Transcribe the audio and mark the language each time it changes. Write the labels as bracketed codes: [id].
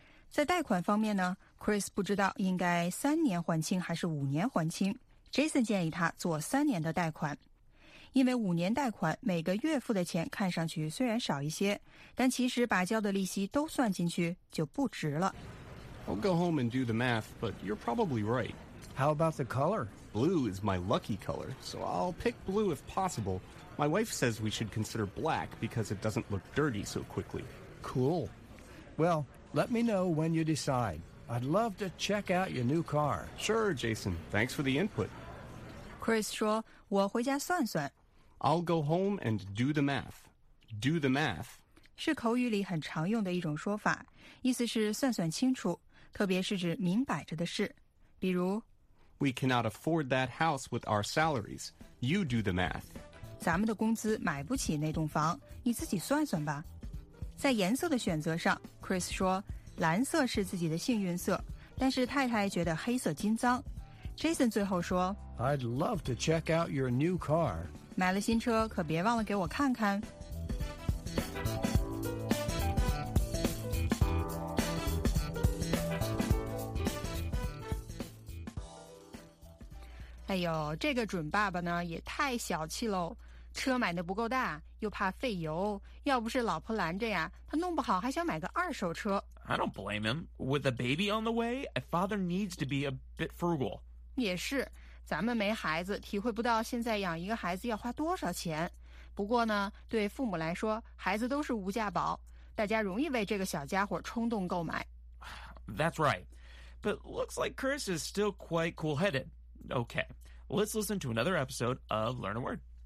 [zh] 在贷款方面呢， Chris 不知道应该三年还清还是五年还清。 Jason 建议他做三年的贷款。因为五年贷款每个月付的钱看上去虽然少一些，但其实把交的利息都算进去就不值了。 [en] I'll go home and do the math, but you're probably right. How about the color? Blue is my lucky color, so I'll pick blue if possible. My wife says we should consider black because it doesn't look dirty so quickly. Cool. Well, let me know when you decide. I'd love to check out your new car. Sure, Jason. Thanks for the input. [zh] Chris 说我回家算算。 [en] I'll go home and do the math. Do the math [zh] 是口语里很常用的一种说法，意思是算算清楚，特别是指明摆着的事。比如 [en] We cannot afford that house with our salaries. You do the math. [zh] 咱们的工资买不起那栋房，你自己算算吧。在颜色的选择上， Chris 说蓝色是自己的幸运色，但是太太觉得黑色金脏。 Jason 最后说 [en] I'd love to check out your new car. [zh] 买了新车可别忘了给我看看。哎呦，这个准爸爸呢也太小气喽，车买的不够大又怕费油，要不是老婆拦着呀，他弄不好还想买个二手车。 [en] I don't blame him. With a baby on the way, a father needs to be a bit frugal. [zh] 也是，咱们没孩子，体会不到现在养一个孩子要花多少钱。不过呢，对父母来说，孩子都是无价宝，大家容易为这个小家伙冲动购买。 [en] That's right. But looks like Chris is still quite cool-headed. Okay, let's listen to another episode of Learn a Word.